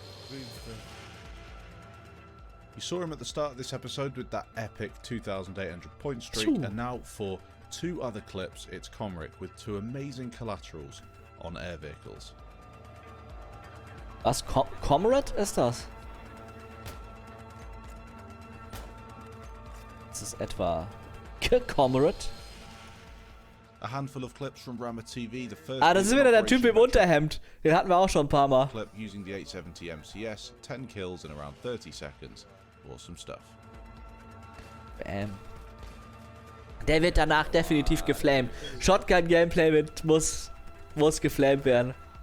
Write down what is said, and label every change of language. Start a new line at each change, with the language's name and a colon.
English: You saw him at the start of this episode with that epic 2,800 point streak, and now for two other clips, it's Comrick with two amazing collaterals on air vehicles.
German: Was Comrade ist das? Ist es etwa Comrade?
English: A handful of clips from Rammer TV, the first.
German: Ah, das ist wieder der Typ im Unterhemd. Den hatten wir auch schon ein paar Mal.
English: Clip using the 870 MCS, 10 kills in around 30 seconds. Awesome stuff.
German: Bam. Der wird danach definitiv geflamed. Shotgun Gameplay mit muss geflamed werden.